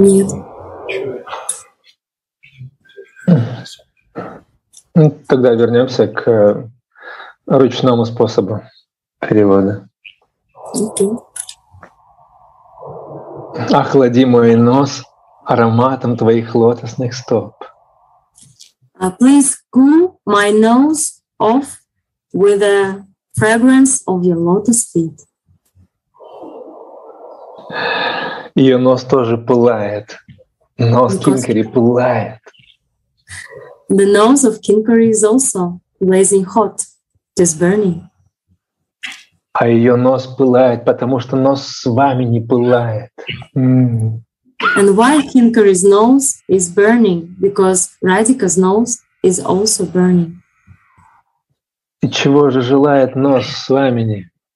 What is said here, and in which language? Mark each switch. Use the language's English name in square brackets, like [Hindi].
[Russian] Нет. Тогда вернемся к ручному способу перевода. [English] Okay. [Russian] Охлади мой нос ароматом твоих лотосных стоп. [English] Please cool my nose off with the fragrance of your lotus feet. [Russian] Ее нос тоже пылает. Нос Кинкери пылает. [English] The nose of Kinkari is also blazing hot. It is burning. [Russian] А ее нос пылает, потому что нос с вами не пылает. [English] And why Kinkari's nose is burning? Because Radhika's nose is also burning. [Russian] И чего же желает нос с вами?